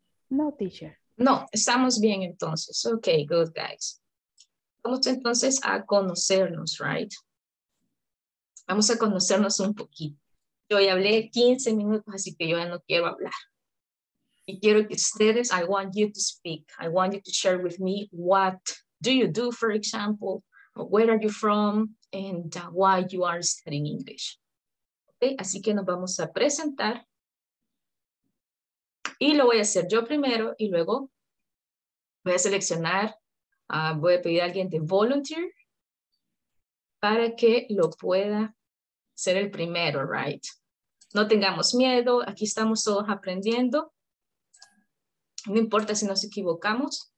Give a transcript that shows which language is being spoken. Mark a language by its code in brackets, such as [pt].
[es] No, teacher. No, estamos bien entonces. [en] Ok, good guys. [es] Vamos entonces a conocernos, right? Vamos a conocernos un poquito. Yo ya hablé 15 minutos, así que yo ya no quiero hablar. Y quiero que ustedes, [en] I want you to speak. I want you to share with me what do you do, for example, where are you from, and why you are studying English. [es] Okay, así que nos vamos a presentar. Y lo voy a hacer yo primero y luego voy a seleccionar, voy a pedir a alguien de volunteer para que lo pueda ser el primero, right? No tengamos miedo, aquí estamos todos aprendiendo. No importa si nos equivocamos.